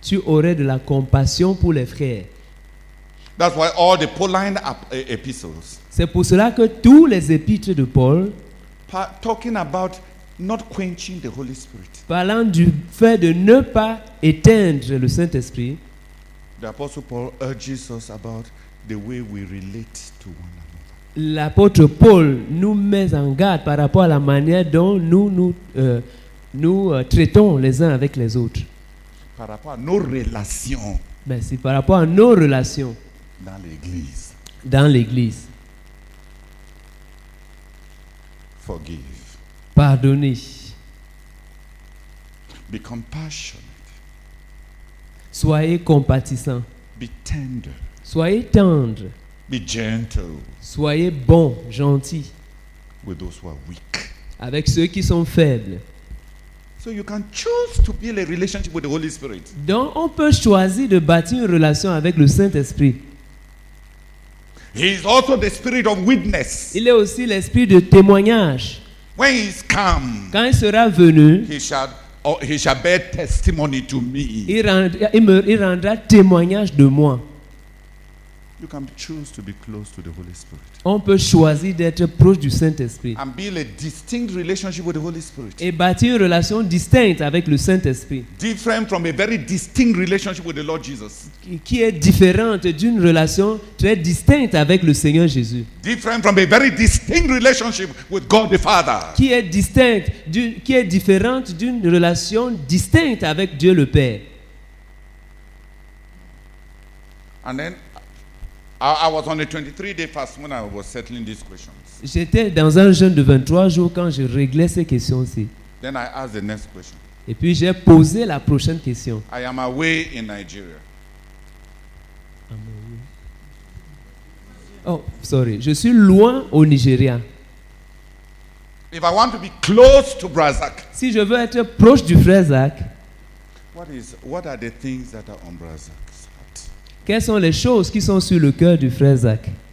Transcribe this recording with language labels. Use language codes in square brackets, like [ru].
[fr] Tu aurais de la compassion pour les frères. [en] That's why all the Pauline epistles, [fr] c'est pour cela que tous les épîtres de Paul [en] talking about not quenching the Holy Spirit. [fr] Parlant du fait de ne pas éteindre le Saint-Esprit. [en] The Apostle Paul urges us about the way we relate to one another. [fr] L'apôtre Paul nous met en garde par rapport à la manière dont nous traitons les uns avec les autres. Par rapport à nos relations. Mais c'est par rapport à nos relations. Dans l'Église. Dans l'Église. [en] Forgive. [fr] Pardonnez. [en] Be compassionate. [fr] Soyez compatissant. [en] Be tender. [fr] Soyez tendre. [en] Be gentle. [fr] Soyez bon, gentil. [en] With those who are weak. [fr] Avec ceux qui sont faibles. [en] So you can choose to build a relationship with the Holy Spirit. [fr] Donc on peut choisir de bâtir une relation avec le Saint-Esprit. [en] He is also the spirit of witness. [fr] Il est aussi l'esprit de témoignage. [en] When he's come, [fr] quand il sera venu, [en] he shall bear testimony to me. [fr] Il rendra témoignage de moi. [en] You can choose to be close to the Holy Spirit. [fr] On peut choisir d'être proche du Saint-Esprit. [en] And build a distinct relationship with the Holy Spirit. [fr] Et bâtir une relation distincte avec le Saint-Esprit. [en] Different from a very distinct relationship with the Lord Jesus. [fr] Qui est différente d'une relation très distincte avec le Seigneur Jésus. [en] Different from a very distinct relationship with God the Father. [fr] Qui est différente d'une relation distincte avec Dieu le Père. [en] And then I was on a 23-day fast when I was settling these questions. [fr] J'étais dans un jeûne de 23 jours quand je réglais ces questions-ci. [en] Then I asked the next question. [fr] Et puis j'ai posé la prochaine question. [en] I am away in Nigeria. Oh, sorry. [fr] Je suis loin au Nigeria. [en] If I want to be close to Brazak, [fr] si je veux être proche du frère Zach, [en] what are the things that are on Brazak? [fr] Quelles sont les choses qui sont sur le cœur du frère Zach?